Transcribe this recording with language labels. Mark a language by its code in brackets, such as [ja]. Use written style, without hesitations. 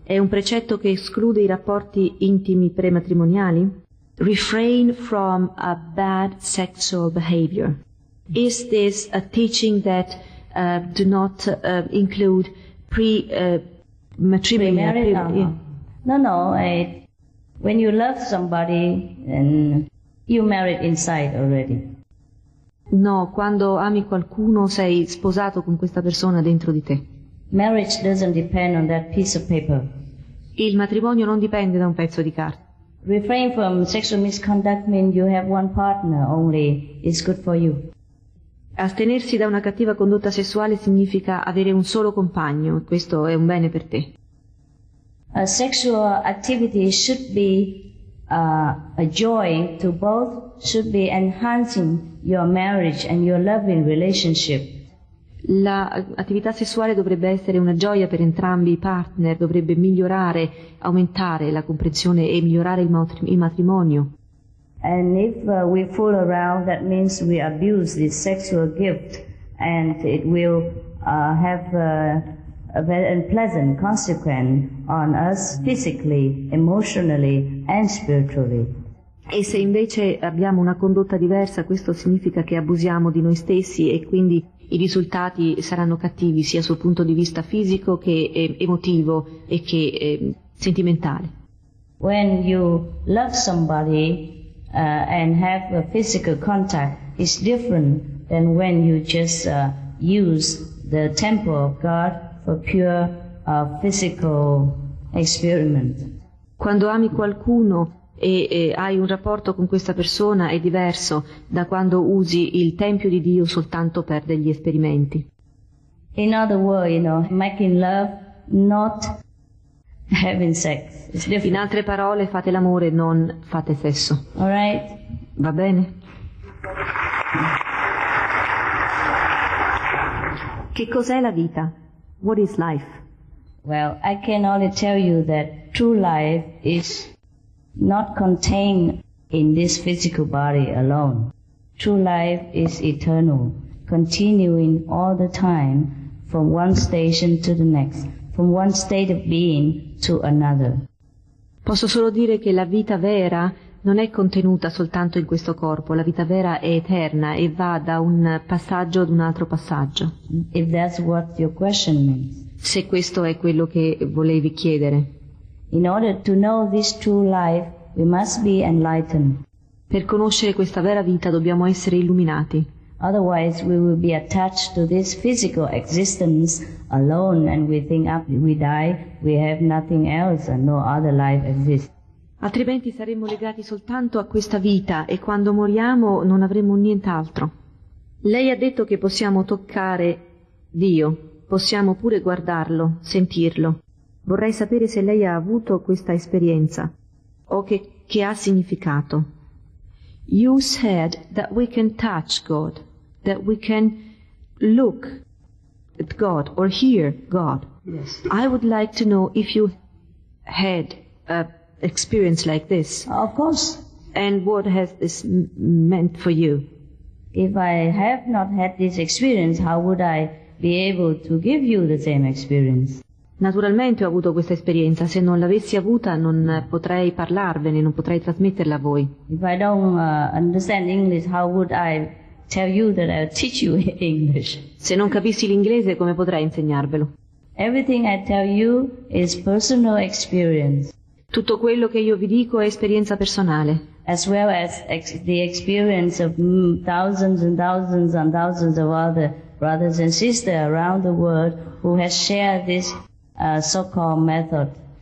[it] È un precetto che esclude i rapporti intimi prematrimoniali? [en] Refrain from a bad sexual behavior. Is this a teaching that do not include when you love somebody and you married inside already. [it] No, quando ami qualcuno sei sposato con questa persona dentro di te. [en] Marriage doesn't depend on that piece of paper. [it] Il matrimonio non dipende da un pezzo di carta. [en] Refrain from sexual misconduct means you have one partner only. It's good for you. [it] Astenersi da una cattiva condotta sessuale significa avere un solo compagno. Questo è un bene per te. [en] A sexual activity should be a joy to both, should be enhancing your marriage and your loving relationship. [it] L'attività sessuale dovrebbe essere una gioia per entrambi i partner, dovrebbe migliorare, aumentare la comprensione e migliorare il matrimonio. [en] And if we fool around, that means we abuse this sexual gift and it will have a very unpleasant consequence on us physically, emotionally and spiritually. [it] E se invece abbiamo una condotta diversa, questo significa che abusiamo di noi stessi e quindi i risultati saranno cattivi sia sul punto di vista fisico che emotivo e che sentimentale. [en] When you love somebody and have a physical contact, it's different than when you just use the temple of God for pure physical experiment. [it] Quando ami qualcuno e hai un rapporto con questa persona è diverso da quando usi il tempio di Dio soltanto per degli esperimenti. [en] In other words, you know, making love, not having sex. [it] In altre parole, fate l'amore, non fate sesso. [en] All right. [it] Va bene. Che cos'è la vita? [en] What is life? Well, I can only tell you that true life is not contained in this physical body alone. True life is eternal, continuing all the time from one station to the next, from one state of being to another. [it] Posso solo dire che la vita vera non è contenuta soltanto in questo corpo, la vita vera è eterna e va da un passaggio ad un altro passaggio. [en] If that's what your question means. [it] Se questo è quello che volevi chiedere. [en] In order to know this true life, we must be enlightened. [it] Per conoscere questa vera vita dobbiamo essere illuminati. [en] Otherwise we will be attached to this physical existence alone and we think after we die we have nothing else and no other life exists. [it] Altrimenti saremmo legati soltanto a questa vita e quando moriamo non avremo nient'altro. Lei ha detto che possiamo toccare Dio, possiamo pure guardarlo, sentirlo. Vorrei sapere se lei ha avuto questa esperienza o che ha significato. [en] You said that we can touch God, that we can look at God or hear God. Yes. I would like to know if you had an experience like this. Of course. And what has this meant for you? If I have not had this experience, how would I be able to give you the same experience? [it] Naturalmente ho avuto questa esperienza, se non l'avessi avuta non potrei parlarvene, non potrei trasmetterla a voi. [en] If I don't understand English, how would I tell you that I'll teach you English? [it] Se non capissi l'inglese, come potrei insegnarvelo? [en] Everything I tell you is personal experience. [it] Tutto quello che io vi dico è esperienza personale. [en] As well as the experience of thousands and thousands and thousands of other brothers and sisters around the world who have shared this so-called method.